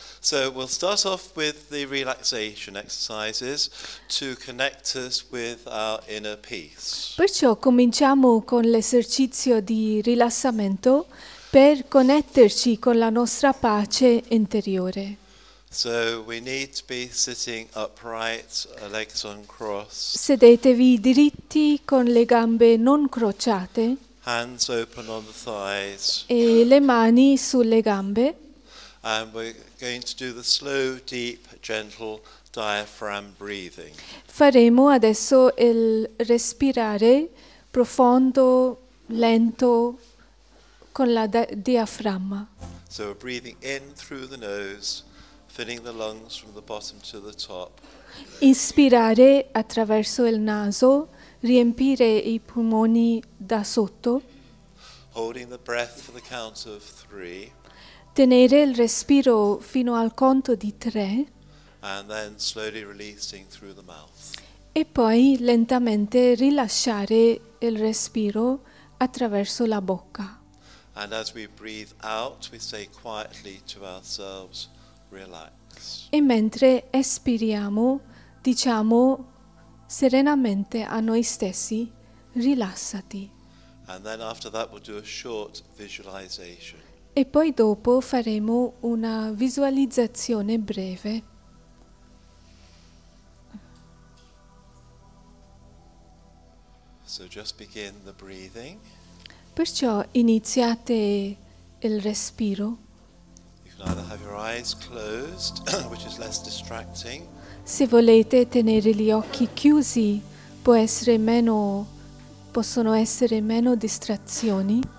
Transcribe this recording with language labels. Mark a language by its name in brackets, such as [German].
[English] So we'll start off with the relaxation exercises to connect us with our inner peace. [Italian] Perciò cominciamo con l'esercizio di rilassamento per connetterci con la nostra pace interiore. [English] So we need to be sitting upright, legs on cross. [Italian] Sedetevi dritti con le gambe non crociate. [English] Hands open on the thighs. [Italian] E le mani sulle gambe. [English] And we're going to do the slow, deep, gentle diaphragm breathing. [Italian] Faremo adesso il respirare profondo, lento, con la diaframma. [English] So we're breathing in through the nose, filling the lungs from the bottom to the top. [Italian] Inspirare attraverso il naso, riempire i polmoni da sotto. [English] Holding the breath for the count of three. [Italian] Tenere il respiro fino al conto di tre. [English] And then slowly releasing through the mouth. [Italian] E poi lentamente rilasciare il respiro attraverso la bocca. [English] And as we breathe out, we say quietly to ourselves, relax. [Italian] E mentre espiriamo, diciamo serenamente a noi stessi, rilassati. [English] And then after that we'll do a short visualization. [Italian] E poi dopo faremo una visualizzazione breve. [English] So just begin the breathing. [Italian] Perciò iniziate il respiro. [English] You can either have your eyes closed, which is less distracting. [Italian] Se volete tenere gli occhi chiusi, possono essere meno distrazioni.